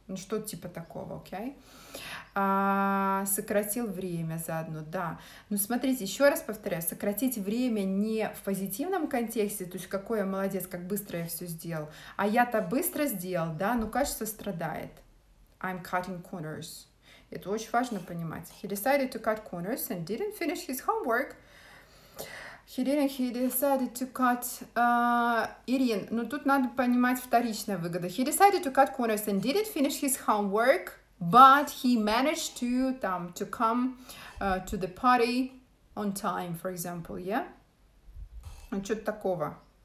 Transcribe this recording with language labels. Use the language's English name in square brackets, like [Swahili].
[Russian] Ну, что-то типа такого, окей? Сократил время заодно, да. Ну, смотрите, еще раз повторяю, сократить время не в позитивном контексте, то есть, какой я молодец, как быстро я все сделал, а я-то быстро сделал, да, но качество страдает. [English] I'm cutting corners. [Russian] Это очень важно понимать. [English] He decided to cut corners and didn't finish his homework. He decided to cut... [Russian] Ирин, ну тут надо понимать вторичная выгода. [English] He decided to cut corners and didn't finish his homework, but he managed to, там, to come to the party on time, for example, yeah? [Russian] Ну, что-то такого.